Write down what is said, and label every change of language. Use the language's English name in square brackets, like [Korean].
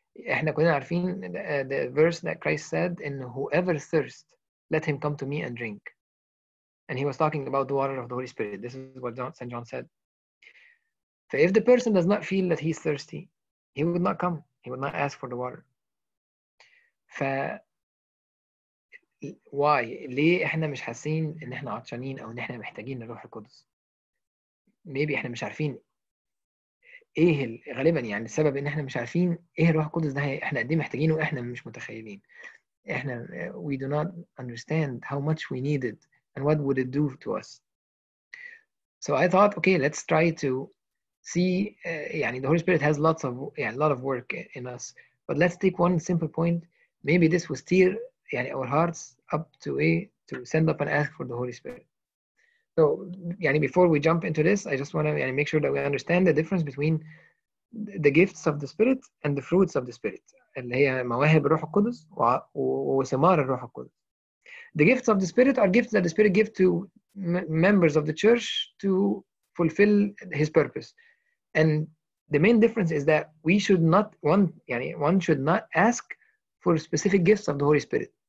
[Arabic] احنا كنا عارفين [English] the verse that Christ said in whoever thirst let him come to me and drink, and he was talking about the water of the Holy Spirit. This is what St. John said. So if the person does not feel that he's thirsty, he would not come, he would not ask for the water. [Arabic] ف why ليه احنا مش حاسين ان احنا عطشانين او ان احنا محتاجين الروح القدس؟ maybe احنا مش عارفين ايه غالبا السبب ان احنا مش عارفين ايه الروح القدس ده, احنا قد ايه محتاجينه واحنا مش متخيلين. [English] احنا we do not understand how much we need it and what would it do to us. So I thought okay, let's try to see the Holy Spirit has lots of a lot of work in us, but let's take one simple point. Maybe this will steer our hearts up to to send up and ask for the Holy Spirit. So before we jump into this, I just want to make sure that we understand the difference between the gifts of the Spirit and the fruits of the Spirit. [Arabic] اللي هي مواهب الروح القدس وثمار الروح القدس. [English] The gifts of the Spirit are gifts that the Spirit gives to members of the church to fulfill his purpose. And the main difference is that we should not want, يعني one should not ask for specific gifts of the Holy Spirit.